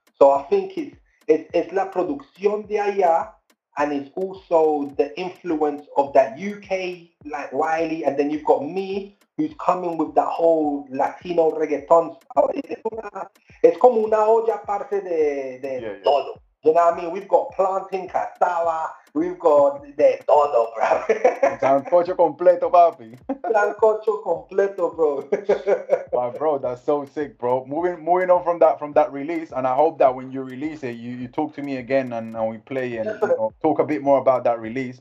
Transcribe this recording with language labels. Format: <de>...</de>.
<en>So I think it's la producción de allá, and it's also the influence of that UK, like Wiley, and then you've got me, who's coming with that whole Latino reggaeton.</en> <es>It's como una olla parte de todo.</es> <en>You know what I mean? We've got planting, cassava, we've got de todo, bro.</en> <es>Sancocho completo, papi. Sancocho completo, bro.</es> <en>But bro, that's so sick, bro. Moving on from that release, and I hope that when you release it, you talk to me again and we play and talk a bit more about that release.</en>